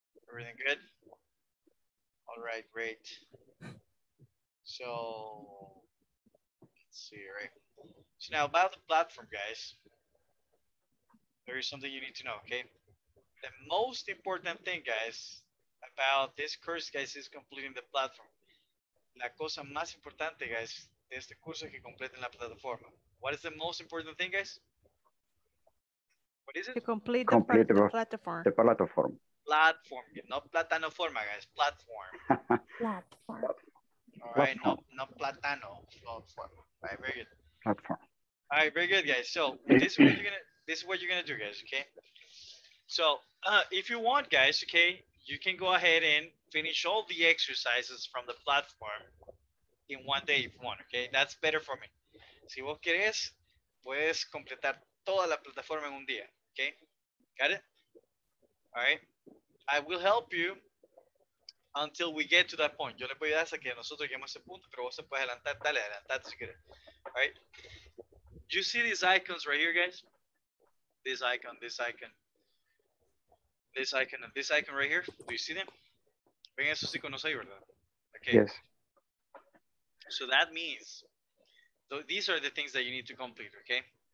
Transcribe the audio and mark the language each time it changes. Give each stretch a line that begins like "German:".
English: Everything good? All right, great. So, let's see, right? So now about the platform, guys, there is something you need to know, okay? The most important thing, guys, about this course, guys, is completing the platform.
Spanish: La cosa más importante,
English: guys,
Spanish: de este curso es que completen la plataforma.
English: What is the most important thing, guys? What is it? To complete the platform. The platform. Platform, no platano forma, guys, platform. Platform. All right, no platano. Platform. All right, very good. Platform. All right, very good, guys. So this is what you're gonna do, guys. Okay. So if you want, guys, okay, you can go ahead and finish all the exercises from the platform in one day if you want. Okay, that's better for me.
Spanish: Si vos querés, puedes completar toda la plataforma en un día.
English: Okay, got it? All right. I will help you. Until we get to that point.
Spanish: Yo le voy a dar hasta que nosotros lleguemos a ese punto, pero vos se puedes adelantar. Dale, adelantate si quieres.
English: All right. Do you see these icons right here, guys? This icon, this icon. This icon and this icon right here. Do you see them?
Spanish: Ven esos iconos ahí, ¿verdad?
English: Okay. Yes. So that means, so these are the things that you need to complete, okay?